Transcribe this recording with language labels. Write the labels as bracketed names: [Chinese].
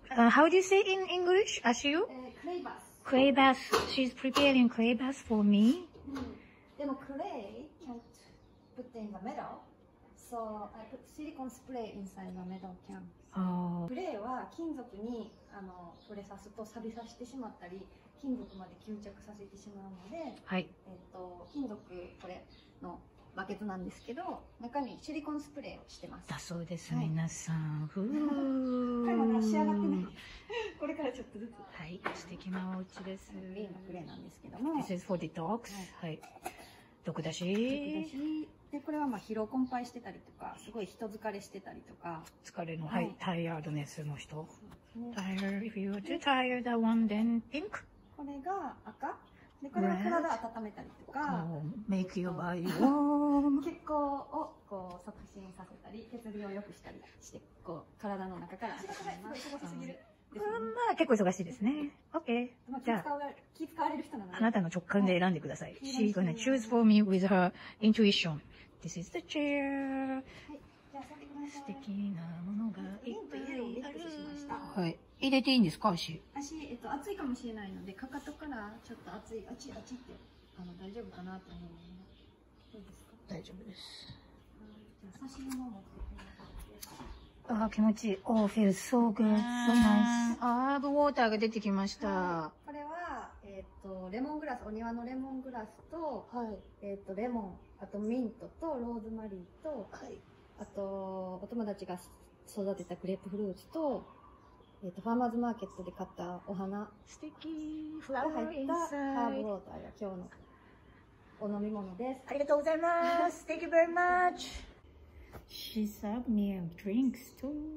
[English] How do you say in English? Ashu? Clay bath. Clay bath. She's preparing clay bath for me.、でも clay can't put in the metal. So I put silicon spray inside the metal can. [Japanese] Clay は金属にあの触れさすと錆びさせてしまったり、金属まで吸着させてしまうので、はい。金属これの。バケツなんですけど、中にシリコンスプレーをしてます。だそうです、はい、皆さん。ふぅー。これまだ仕上がってない。これからちょっとずつ。はい、素敵なお家です。リーのプレーなんですけども。 [English] This is for the dogs. [Japanese] はい。はい、毒だし。で、これはまあ疲労困憊してたりとか、すごい人疲れしてたりとか。疲れの、はい。はい、tiredness の人。 [English] Tired. If you're too tired, that one, then pink. [Japanese] これが赤。でこれは体温めたりとか、メイクヨバイを血行をこう促進させたり、血流を良くしたりして、こう体の中から温めます。忙しすぎる、まあ結構忙しいですね。 OK、じゃあ気使われる人なので、あなたの直感で選んでください。 [English] She's gonna choose for me with her intuition. This is the chair. [Japanese] はい、じゃあ座ってください。素敵なものがいっぱいある。ピンとイエローをゲットしました。はい、入れていいんですか、足。足、暑いかもしれないので、かかとからちょっと暑い、あちあちって、あの大丈夫かなと思うので、どうですか。大丈夫です。じゃあ、差し物を持ってください。あ、気持ちいい。 [English] Oh, feels so good. So nice. [Japanese] アーブウォーターが出てきました。はい、これは、レモングラス、お庭のレモングラスと、はい、レモン、あとミントと、ローズマリーと、はい、あと、お友達が育てたグレープフルーツと、ファーマーズマーケットで買ったお花、素敵フラワーインサイドハーブウォーターが今日のお飲み物です。ありがとうございます。 [English] Thank you very much. She served me a drink too.